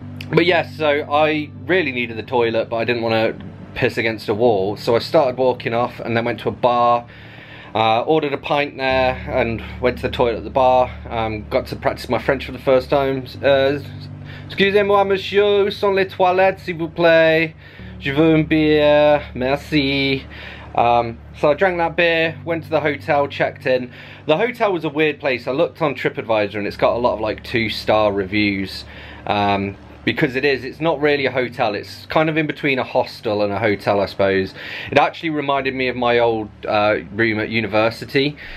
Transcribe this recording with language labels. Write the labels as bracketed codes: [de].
[en] But yes, yeah, so I really needed the toilet, but I didn't want to piss against a wall. So I started walking off and then went to a bar. Ordered a pint there and went to the toilet at the bar. Got to practice my French for the first time. [fr] Excusez-moi, monsieur, où sont les toilettes, s'il vous plaît? Je veux une bière, merci. [en] So I drank that beer, went to the hotel, checked in. The hotel was a weird place. I looked on TripAdvisor and it's got a lot of like 2-star reviews. Because it is, it's not really a hotel, it's kind of in between a hostel and a hotel, I suppose. It actually reminded me of my old room at university.